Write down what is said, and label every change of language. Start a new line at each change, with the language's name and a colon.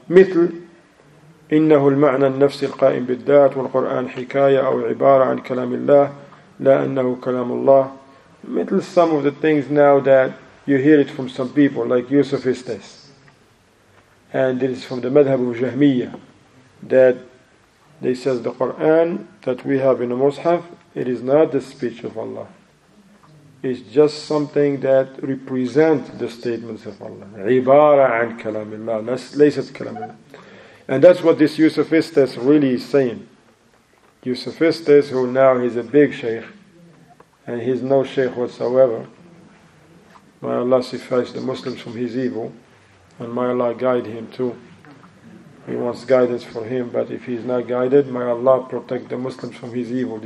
Arabic: Mithl, إنه المعنى النفسي القائم بالذات والقرآن حكاية أو عبارة عن كلام الله لا أنه كلام الله.
English: مثل some of the things now that you hear it from some people like Yusuf Istis. And it is from the madhab of Jahmiyyah that they says the Quran that we have in the Mushaf, it is not the speech of Allah. It's just something that represents the statements of Allah.
Arabic: عبارة عن كلام الله ليست كلام الله.
English: And that's what this Yusufistas really is saying. Yusufistas, who now he's a big sheikh, and he's no sheikh whatsoever. May Allah suffice the Muslims from his evil, and may Allah guide him too. He wants guidance for him, but if he's not guided, may Allah protect the Muslims from his evil.